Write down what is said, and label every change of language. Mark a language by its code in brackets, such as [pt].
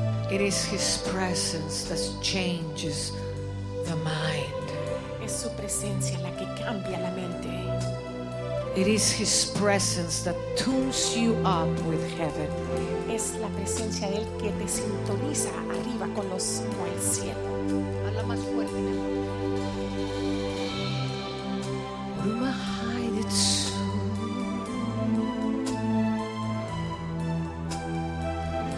[en] It is his presence that changes the mind. [es] Es su presencia la que cambia la mente. [en] It is his presence that tunes you up with heaven. [es] Es la presencia de él que te sintoniza arriba con los con el cielo. Habla más fuerte. Ruma hide it soon.